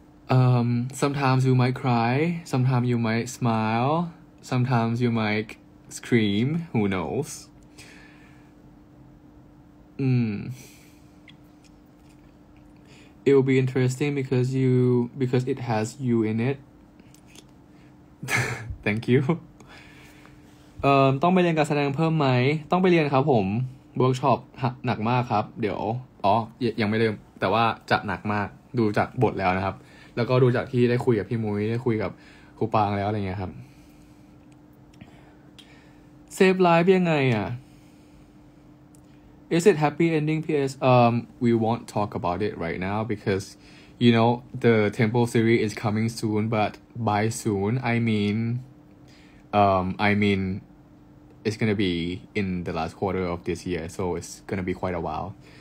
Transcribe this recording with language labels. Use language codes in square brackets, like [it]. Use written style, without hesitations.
[en] Sometimes you might cry, sometimes you might smile, sometimes you might scream. Who knows? It will be interesting because it has you in it. Thank you. [th] ต้องไปเรียนการแสดงเพิ่มไหมต้องไปเรียนครับผมเวิร์กช็อปหนักมากครับเดี๋ยวยังไม่เริ่มแต่ว่าจะหนักมากดูจากบทแล้วนะครับแล้วก็ดูจากที่ได้คุยกับพี่มุ้ยได้คุยกับครูปางแล้วอะไรเงี้ยครับเซฟไลฟ์ยังไงอ่ะ [en] Is it happy ending, P.S.? We won't talk about it right now because, you know, the Temple series is coming soon, but by soon, I mean, it's gonna be in the last quarter of this year, so it's gonna be quite a while.